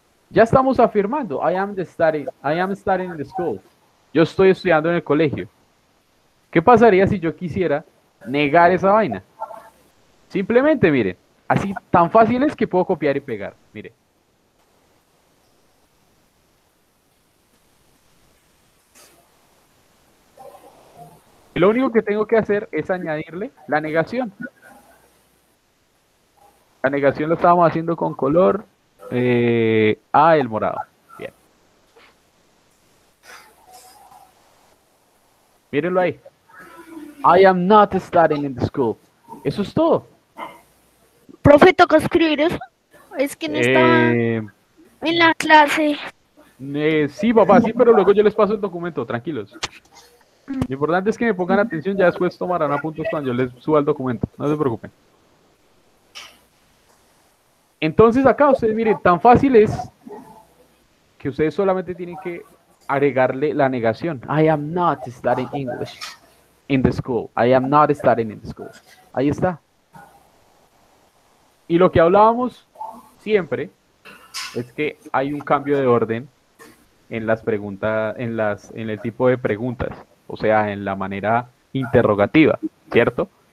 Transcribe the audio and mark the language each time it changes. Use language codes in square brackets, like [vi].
[es] Ya estamos afirmando, [en] I am studying in the school. [es] Yo estoy estudiando en el colegio. ¿Qué pasaría si yo quisiera negar esa vaina? Simplemente, miren, así tan fácil es que puedo copiar y pegar, miren. Lo único que tengo que hacer es añadirle la negación. La negación lo estábamos haciendo con color el morado. Bien. Mírenlo ahí. [en] I am not studying in the school. [es] Eso es todo. Profe, toca escribir eso. Es que no estaba en la clase. Sí, papá, sí, pero luego yo les paso el documento, tranquilos. Lo importante es que me pongan atención, ya después tomarán apuntes cuando yo les suba el documento, no se preocupen. Entonces acá ustedes miren, tan fácil es que ustedes solamente tienen que agregarle la negación. [en] I am not studying English in the school. I am not studying in the school. [es] Ahí está. Y lo que hablábamos siempre es que hay un cambio de orden en las preguntas, en el tipo de preguntas. O sea, en la manera interrogativa, ¿cierto?